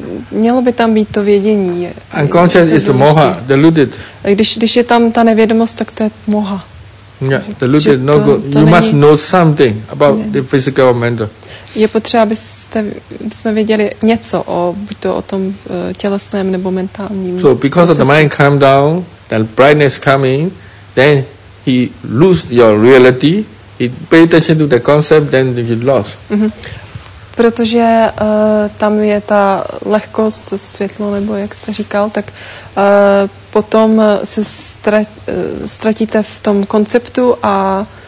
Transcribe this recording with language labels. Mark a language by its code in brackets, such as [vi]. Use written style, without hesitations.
[cs] Mělo by tam být to vědění. [en] Unconscious is moha, deluded. [cs] Když je tam ta nevědomost, tak to je moha. [en] Yeah, deluded, no good. You must know something about the physical or mental. [cs] Je potřeba, abychom věděli něco o buď to o tom tělesném nebo mentálním. [en] So because of the mind calm down, the brightness coming, then he lose your reality. He pay attention to the concept, then he lost. [cs] Protože tam je ta lehkost, to světlo, nebo jak jste říkal, tak potom se ztratíte v tom konceptu a...